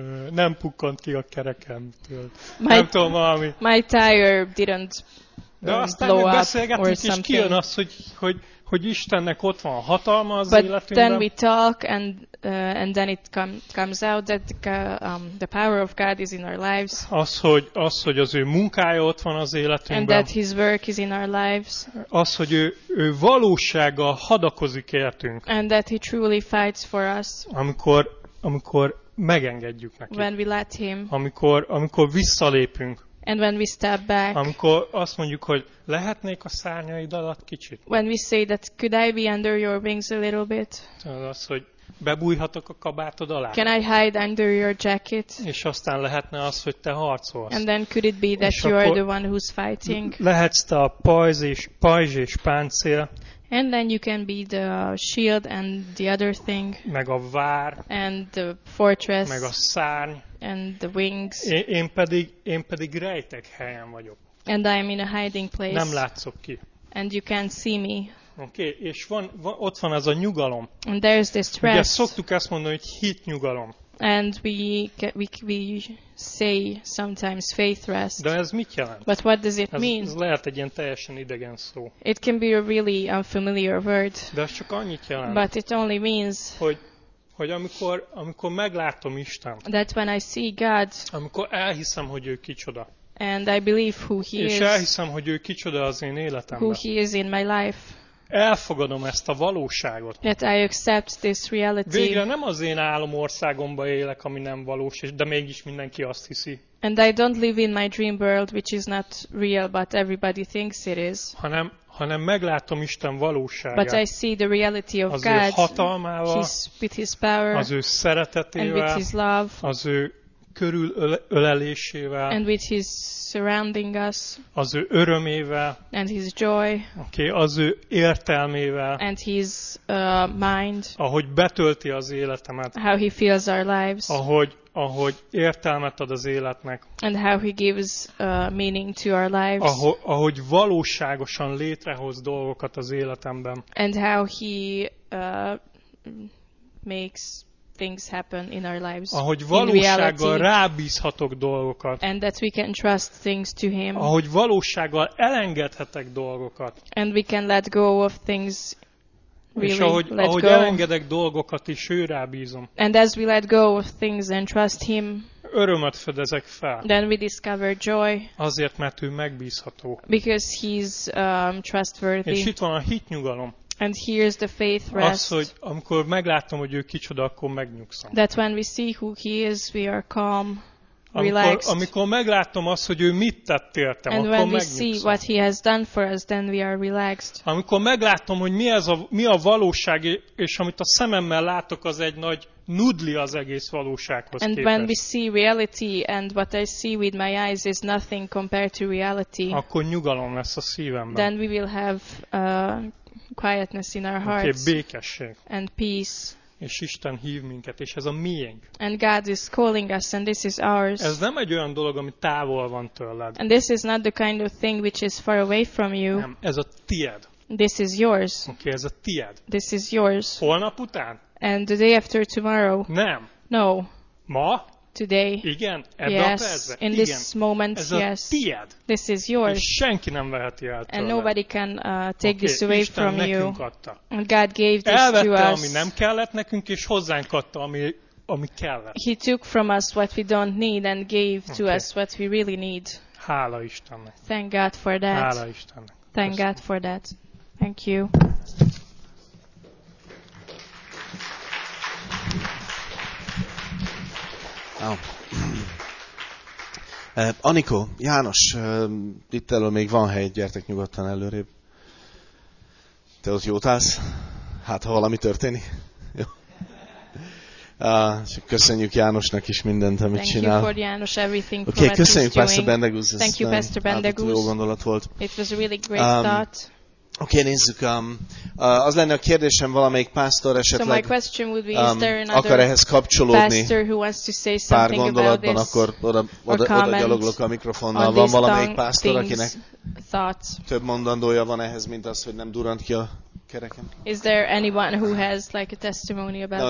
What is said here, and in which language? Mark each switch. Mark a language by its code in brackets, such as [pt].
[hu] Nem pukkant ki a kerekem. Nem tudom, valami. [en] My tire didn't up or something. [hu] De aztán beszélgetünk, és kijön az, hogy Istennek ott van a hatalma az [en] but [hu] életünkben. [en] But then we talk and then it comes out that the power of God is in our lives. [hu] Az, hogy az ő munkája ott van az életünkben. [en] And that his work is in our lives. [hu] Az, hogy ő valósággal hadakozik értünk. [en] And that he truly fights for us. [hu] Amikor megengedjük neki. [en] When we let him. [hu] Amikor visszalépünk. [en] And when we step back. [hu] Amikor azt mondjuk, hogy lehetnék a szárnyaid alatt kicsit. [en] When we say that, could I be under your wings a little bit? [hu] Az, hogy bebújhatok a kabátod alá. [en] Can I hide under your jacket? [hu] És aztán lehetne az, hogy te harcolsz. [en] And then could it be that you are the one who's fighting? [hu] Lehetsz te a pajzs és páncél. [en] And then you can be the shield and the other thing. [hu] Meg a vár. [en] And the fortress. [hu] Meg a szárny. [en] And the wings. [hu] Én pedig rejtek helyen vagyok. [en] And I'm in a hiding place. [hu] Nem látszok ki. [en] And you can't see me. [hu] Okay, és van ott van ez a nyugalom. [en] And there's this rest. [hu] Ugye szoktuk azt mondani, hogy hit nyugalom. [en] And we say sometimes faith rest. [hu] De ez mit jelent? [en] But what does it mean? [hu] Ez lehet egy ilyen teljesen idegen szó. [en] It can be a really unfamiliar word. [hu] De ez csak annyit jelent. [en] But it only means [hu] hogy amikor meglátom Istent. [en] That when I see God. [hu] Amikor elhiszem, hogy ő kicsoda. [en] And I believe who he [hu] és És elhiszem, hogy ő kicsoda az én életemben. [en] Who he is in my life. [hu] Elfogadom ezt a valóságot. [en] Yet I accept this reality. [hu] Végre nem az én álomországomban élek, ami nem valós, de mégis mindenki azt hiszi. [en] And I don't live in my dream world, which is not real, but everybody thinks it is. [hu] Hanem meglátom Isten valóságát. [en] But I see the reality of [hu] az [en] God. [hu] Az ő hatalmával, [en] with his power, [hu] az ő szeretetével, [en] and with his love, [hu] az ő körül ölelésével, [en] and with his surrounding us, [hu] az ő örömével, [en] and his joy, [hu] okay, az ő értelmével, [en] and his mind, [hu] ahogy betölti az életemet, [en] how he fills our lives, [hu] ahogy értelmet ad az életnek, [en] and how he gives meaning to our lives, [hu] ahogy valóságosan létrehoz dolgokat az életemben, [en] and how he makes things happen in our lives. [hu] Ahogy valósággal rábízhatok dolgokat. [en] And that we can trust things to him. [hu] Ahogy valósággal elengedhetek dolgokat. [en] And we can let go of things. Really, [hu] és ahogy elengedek dolgokat is ő rábízom. [en] And as we let go of things and trust him. [hu] Örömet fedezek fel. [en] Then we discover joy. [hu] Azért, mert ő megbízható. [en] Because he's trustworthy. [hu] És itt van a hitnyugalom. [en] And here's the faith rest. [hu] Az, hogy amikor meglátom, hogy ő kicsoda, akkor megnyugszom. [en] That when we see who he is, we are calm, relaxed. [hu] Amikor meglátom azt, hogy ő mit tett értem, [en] and [hu] akkor megnyugszom. [en] And when we see what he has done for us, then we are relaxed. [hu] Amikor meglátom, hogy mi a valóság, és amit a szememmel látok, az egy nagy nudli az egész valósághoz [en] and [hu] képest. [en] And when we see reality and what I see with my eyes is nothing compared to reality. [hu] Akkor nyugalom lesz a szívemben. [en] Then we will have quietness in our hearts. [hu] Okay, békesség. [en] And peace. [hu] És Isten hív minket, és ez a miénk. [en] And God is calling us and this is ours. [hu] Ez nem egy olyan dolog, ami távol van tőled. [en] And this is not the kind of thing which is far away from you. [hu] Nem, ez a tied. [en] This is yours. [hu] Okay, ez a tied. [en] This is yours. [hu] Holnap után? [en] And the day after tomorrow? [hu] Nem. [en] No. [hu] Ma? [en] today. [hu] Igen, [en] yes, [hu] percben, [en] in [hu] igen, [en] this moment, [hu] ez [en] yes. [hu] A tied. [en] This is yours. [hu] És senki nem veheti el tőle. [en] And nobody can take okay, this away [hu] Isten [en] from you. [hu] Adta. [en] God gave this [hu] elvette, [en] to us. [hu] Elvette, ami nem kellett nekünk, és hozzánk adta, ami kellett. [en] He took from us what we don't need and gave okay. to us what we really need. [hu] Hála Istennek. [en] Thank God for that. [hu] Hála Istennek. [en] Thank God for that. Thank you. [hu] Anikó, János, itt elő még van hely, gyertek nyugodtan előrébb. Te ott jót állsz? Hát, ha valami történik. Csak köszönjük Jánosnak is mindent, amit [en] thank [hu] csinál. [en] Thank you for János, everything [hu] okay, Prometheus köszönjük Pastor Bendegúz. [en] Thank you, Pastor Bendegúz. [hu] Jó gondolat volt. [en] It was a really great thought. [hu] Oké, okay, nézzük. Az lenne a kérdésem valamelyik pásztor esetleg akar ehhez kapcsolódni pár gondolatban, akkor oda gyaloglok a mikrofonnal. Van valamelyik pásztor, akinek [en] thoughts. [hu] Több mondandója van ehhez, mint az, hogy nem durant ki a kereken. [en] Is there anyone who has like a testimony about